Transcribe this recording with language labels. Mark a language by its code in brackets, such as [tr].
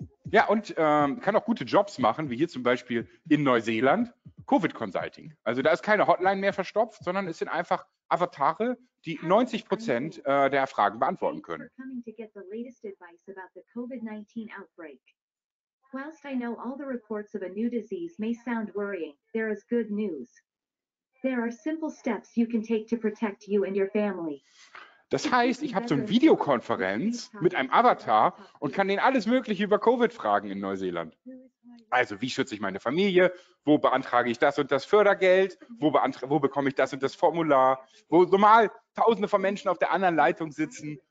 [de] Ja, und kann auch gute Jobs machen, wie hier zum Beispiel in Neuseeland, Covid-Consulting. Also da ist keine Hotline mehr verstopft, sondern es sind einfach Avatare, die 90% der Fragen beantworten können. [en] Whilst I know all the reports of a new disease may sound worrying, there is good news. There are simple steps you can take to protect you and your family. [de] Das heißt, ich habe so eine Videokonferenz mit einem Avatar und kann denen alles Mögliche über Covid fragen in Neuseeland. Also, wie schütze ich meine Familie? Wo beantrage ich das und das Fördergeld? Wo bekomme ich das und das Formular? Wo normal tausende von Menschen auf der anderen Leitung sitzen?